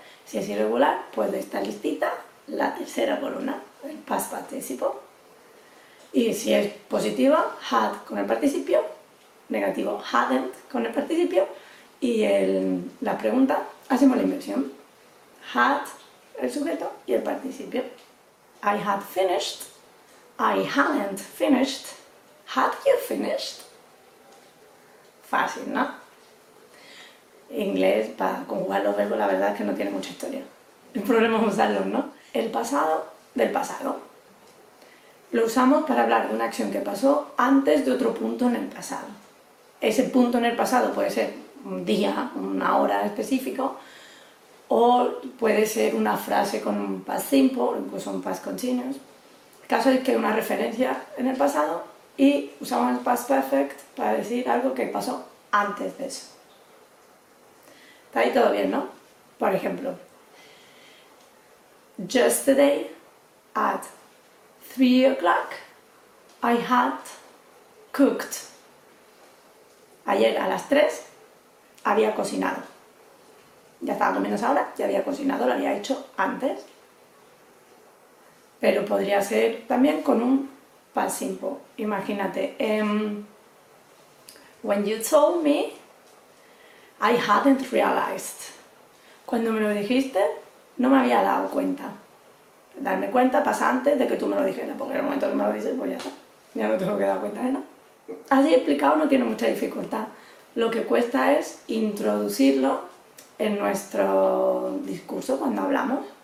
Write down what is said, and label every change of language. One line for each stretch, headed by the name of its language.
Spanish: Si es irregular, pues de esta listita, la tercera columna. El past participio. Y si es positiva, had con el participio, negativo, hadn't con el participio, y la pregunta, hacemos la inversión. Had el sujeto y el participio.
English: I had finished, I hadn't finished, had you finished?
Spanish: Fácil, ¿no? Inglés, para conjugar los verbos, la verdad es que no tiene mucha historia. El problema es usarlos, ¿no? El pasado. Del pasado. Lo usamos para hablar de una acción que pasó antes de otro punto en el pasado. Ese punto en el pasado puede ser un día, una hora específico, o puede ser una frase con un past simple, incluso un past continuous. El caso es que hay una referencia en el pasado y usamos el past perfect para decir algo que pasó antes de eso. Está ahí todo bien, ¿no? Por ejemplo,
English: yesterday at 3 o'clock, I had cooked.
Spanish: Ayer a las 3 había cocinado. Ya estaba comiendo esa hora, ya había cocinado, lo había hecho antes. Pero podría ser también con un past simple. Imagínate,
English: when you told me, I hadn't realized.
Spanish: Cuando me lo dijiste, no me había dado cuenta. Darme cuenta pasa antes de que tú me lo dijeras, porque en el momento que me lo dices, pues ya está. Ya no tengo que dar cuenta de nada. Así explicado no tiene mucha dificultad. Lo que cuesta es introducirlo en nuestro discurso cuando hablamos.